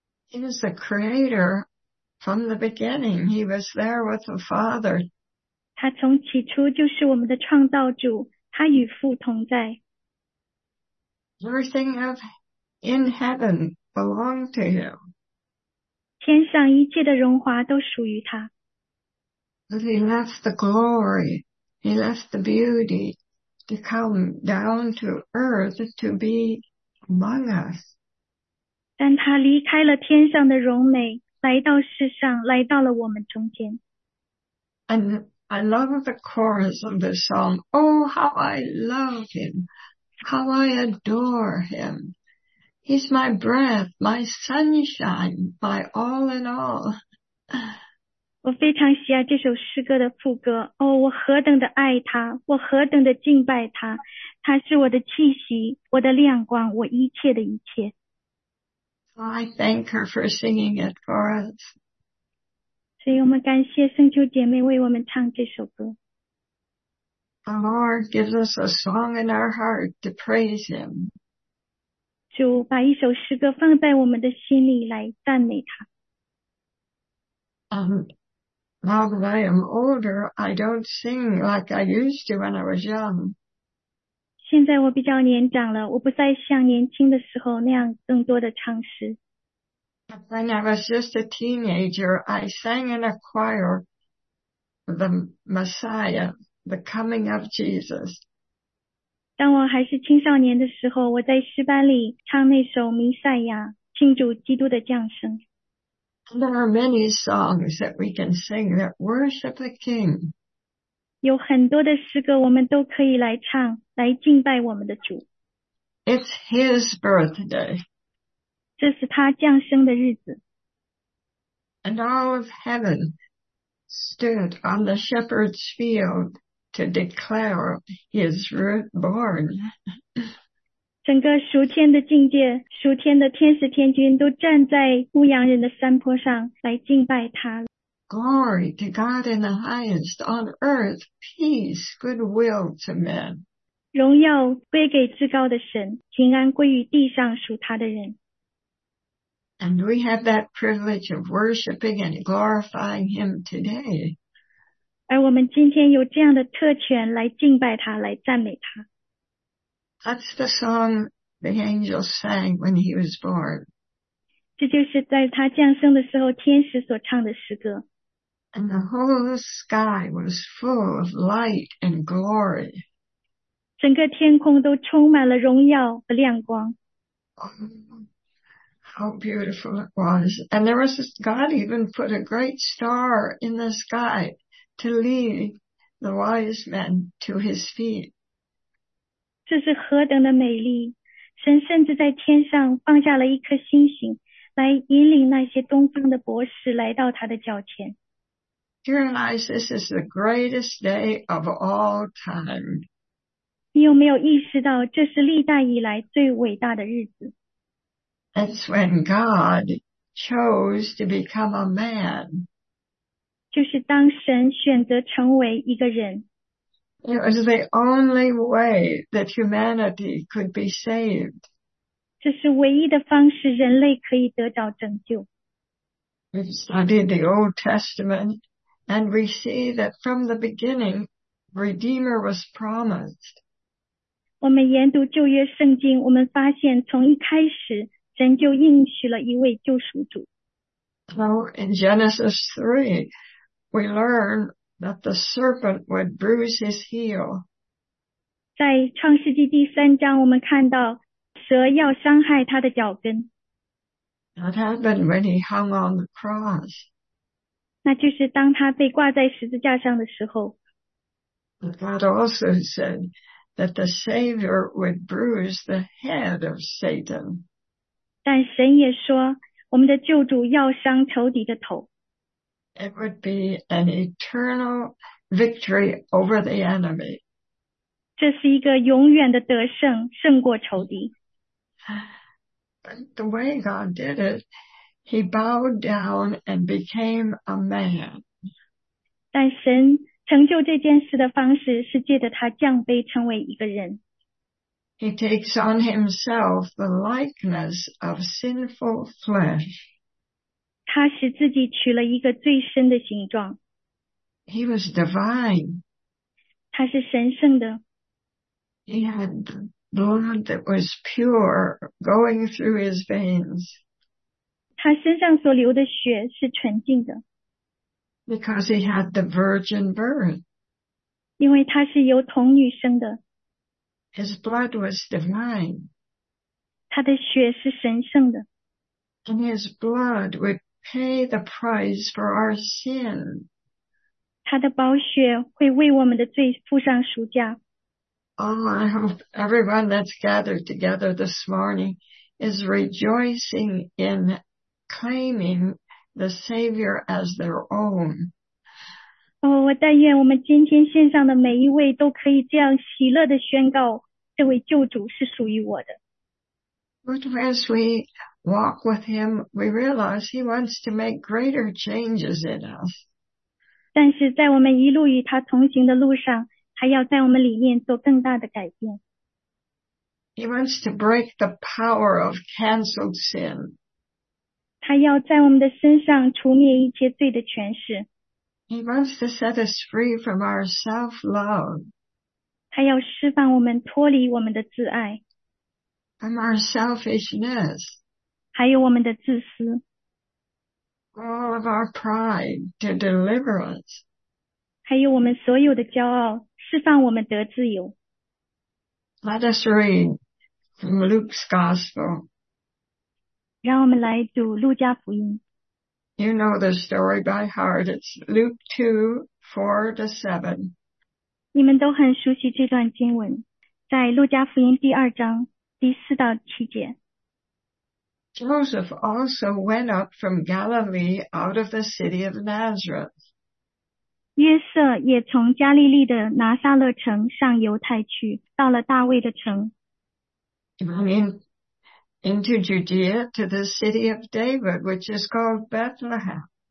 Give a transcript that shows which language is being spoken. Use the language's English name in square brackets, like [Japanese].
[English] He was the Creator from the beginning. He was there with the Father. [Chinese] 他从起初就是我们的创造主，他与父同在。 [English] Everything in heaven belonged to him. [Chinese] 天上一切的荣华都属于他。 [English] But he left the glory, he left the beauty to come down to earth to be among us. [Chinese] 但他离开了天上的荣美，来到世上，来到了我们中间。 [English] And I love the chorus of the song. Oh, how I love him. How I adore him. He's my breath, my sunshine, my all in all. [Chinese] 我非常喜爱这首诗歌的副歌。哦，我何等的爱他，我何等的敬拜他。他是我的气息，我的亮光，我一切的一切。 [English] So I thank her for singing it for us. [Chinese] 所以我们感谢圣秋姐妹为我们唱这首歌。 [English] The Lord gives us a song in our heart to praise Him. [Chinese] 主把一首诗歌放在我们的心里来赞美他。 [English] Now that I am older, I don't sing like I used to when I was young. [Chinese] 现在我比较年长了，我不再像年轻的时候那样更多的唱诗。 [English] When I was just a teenager, I sang in a choir, the Messiah, the coming of Jesus. [Chinese] 当我还是青少年的时候，我在诗班里唱那首《弥赛亚》，庆祝基督的降生。 [English] There are many songs that we can sing that worship the King. [Chinese] 有很多的诗歌我们都可以来唱，来敬拜我们的主。 [English] It's His birthday. [Chinese] 这是他降生的日子。 [English] And all of heaven stood on the shepherd's field to declare His born. [Chinese] 整个属天的境界，属天的天使天君都站在牧羊人的山坡上来敬拜他。 [English] Glory to God in the highest, on earth, peace, goodwill to men. [Chinese] 荣耀归给至高的神，平安归于地上属他的人。 [English] And we have that privilege of worshiping and glorifying him today. [Chinese] 而我们今天有这样的特权来敬拜他，来赞美他。 [English] That's the song the angel sang when he was born. [Chinese] 这就是在他降生的时候天使所唱的诗歌。 [English] And the whole sky was full of light and glory. [Chinese] 整个天空都充满了荣耀和亮光。 [English] Oh, how beautiful it was. And there was this, God even put a great star in the sky to lead the wise men to his feet. [Chinese] 这是何等的美丽，神甚至在天上放下了一颗星星，来引领那些东方的博士来到他的脚前。 [English] Do you realize this is the greatest day of all time? [Chinese] 你有没有意识到这是历代以来最伟大的日子？ [English] That's when God chose to become a man. [Chinese] 就是当神选择成为一个人。 [English] It was the only way that humanity could be saved. [Chinese] 这是唯一的方式人类可以得到拯救。 [English] We've studied the Old Testament, and we see that from the beginning, Redeemer was promised. [Chinese] 我们研读旧约圣经，我们发现从一开始，神就应许了一位救赎主。 [English] So in Genesis 3, we learn that the serpent would bruise his heel. [Chinese] 在创世纪第三章，我们看到蛇要伤害他的脚跟。 [English] That happened when he hung on the cross. [Chinese] 那就是当他被挂在十字架上的时候。 [English] But God also said that the Savior would bruise the head of Satan. [Chinese] 但神也说，我们的救主要伤仇敌的头。 [English] It would be an eternal victory over the enemy. [Chinese] 这是一个永远的得胜，胜过仇敌。 [English] But the way God did it, he bowed down and became a man. [Chinese] 但神成就这件事的方式是借着他降卑成为一个人。 [English] He takes on himself the likeness of sinful flesh. [Chinese] 他使自己取了一个最深的形状。 [English] He was divine. [Chinese] 他是神圣的。 [English] He had blood that was pure going through his veins. [Chinese] 他身上所流的血是纯净的。 [English] Because he had the virgin birth. [Chinese] 因为他是由童女生的。 [English] His blood was divine. [Chinese] 他的血是神圣的。 [English] And his blood would pay the price for our sin. [Chinese] 他的宝血会为我们的罪付上赎价。 [English] Oh, I hope everyone that's gathered together this morning is rejoicing in claiming the Savior as their own. [Chinese] 我但愿我们今天线上的每一位都可以这样喜乐地宣告，这位救主是属于我的。 [English] But as we walk with him, we realize he wants to make greater changes in us. [Chinese] 但是在我们一路与他同行的路上，他要在我们里面做更大的改变。 [English] He wants to break the power of canceled sin. [Chinese] 他要在我们的身上除灭一切罪的权势。 [English] He wants to set us free from our self-love. [Chinese] 他要释放我们脱离我们的自爱 [English] and our selfishness, [Chinese] 还有我们的自私 [English] all of our pride to deliver us, [Chinese] 还有我们所有的骄傲释放我们得自由 [English] Let us read from Luke's Gospel. [Chinese] 让我们来读路加福音 [English] You know the story by heart. It's Luke 2:4-7. [Chinese] 你们都很熟悉这段经文，在路加福音第二章第四到七节。 [English] Joseph also went up from Galilee out of the city of Nazareth. [Chinese] 约瑟也从加利利的拿撒勒城上犹太去，到了大卫的城。 [English] Into Judea to the city of David, which is called Bethlehem.